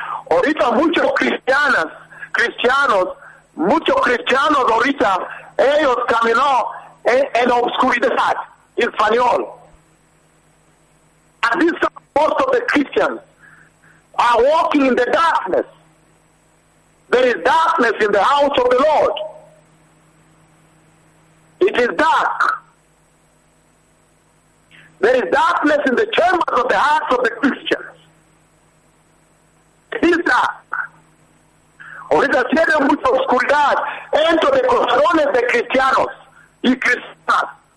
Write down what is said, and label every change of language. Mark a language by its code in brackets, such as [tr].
[es] Ahorita muchos cristianos, muchos cristianos ahorita, ellos camino en obscuridad, en español. [en] At this time, most of the Christians are walking in the darkness. There is darkness in the house of the Lord. It is dark. There is darkness in the chambers of the hearts of the Christians. It is dark. [es] Ahorita tiene mucha oscuridad dentro de corazones de cristianos y cristianas.